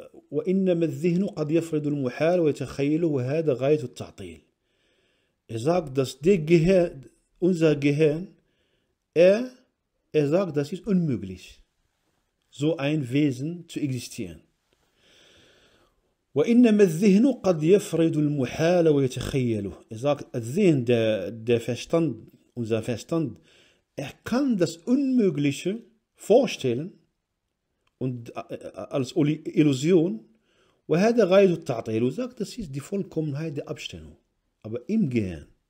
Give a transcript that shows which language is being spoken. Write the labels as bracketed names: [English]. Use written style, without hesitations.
[Arabic] وَإِنَّمَا الذِّهْنُ قَدْ يَفْرِدُ الْمُحَالُ وَيَتَخَيِّلُهُ وَهَذَا غَيْتُ التَّعْطِيلِ. [German] Er sagt, dass der Gehirn, unser Gehirn, er sagt, das ist unmöglich, so ein Wesen zu existieren. [Arabic] وإنما الذهن قد يفرض المحال ويتخيله. [German] Er sagt, الذهن, der Verstand, unser Verstand, er kann das Unmögliche vorstellen und als Illusion. [Arabic] وهذا غاية التعطيل. [German] Er sagt, das ist die Vollkommenheit der Abstellung, aber im Gehirn.